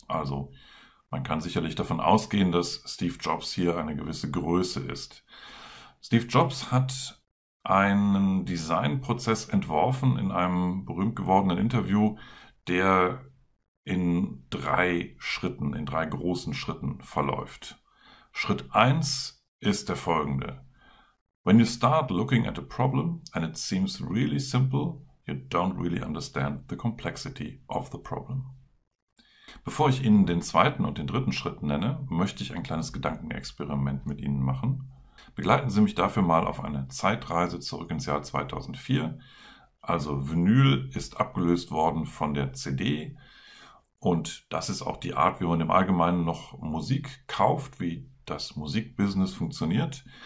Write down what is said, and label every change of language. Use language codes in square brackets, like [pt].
[de] Also, man kann sicherlich davon ausgehen, dass Steve Jobs hier eine gewisse Größe ist. Steve Jobs hat einen Designprozess entworfen in einem berühmt gewordenen Interview, der in drei Schritten, in drei großen Schritten verläuft. Schritt 1 ist der folgende: [en] When you start looking at a problem and it seems really simple, you don't really understand the complexity of the problem. [de] Bevor ich Ihnen den zweiten und den dritten Schritt nenne, möchte ich ein kleines Gedankenexperiment mit Ihnen machen. Begleiten Sie mich dafür mal auf eine Zeitreise zurück ins Jahr 2004. Also Vinyl ist abgelöst worden von der CD. Und das ist auch die Art, wie man im Allgemeinen noch Musik kauft, wie das Musikbusiness funktioniert.